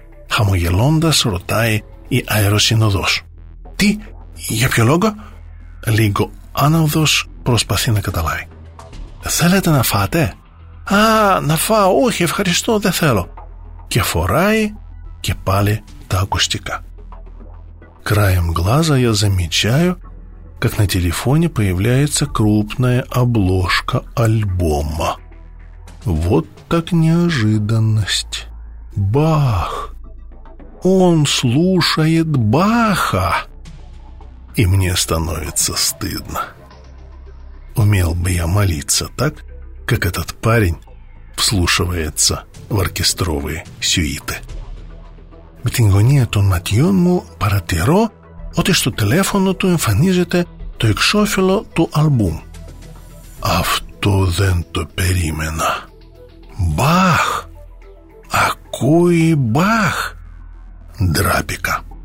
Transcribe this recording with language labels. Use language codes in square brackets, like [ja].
[el] χαμογελώντας ρωτάει η αεροσυνοδός. «Τι, για ποιο λόγο?» Λίγο άναυδος προσπαθεί να καταλάβει. «Θέλετε να φάτε?» «Α, να φάω, όχι, ευχαριστώ, δεν θέλω». Και φοράει και πάλι τα ακουστικά. [ru] Краем глаза я замечаю, как на телефоне появляется крупная обложка альбома. Вот так неожиданность. Бах! Он слушает Баха! И мне становится стыдно. Умел бы я молиться так, как этот парень вслушивается в оркестровые сюиты. [el] Με την γωνία των ματιών μου παρατηρώ ότι στο τηλέφωνο του εμφανίζεται το εξώφυλλο του αλμπούμ. Αυτό δεν το περίμενα. Μπαχ! Ακούει Μπαχ! Ντράπηκα.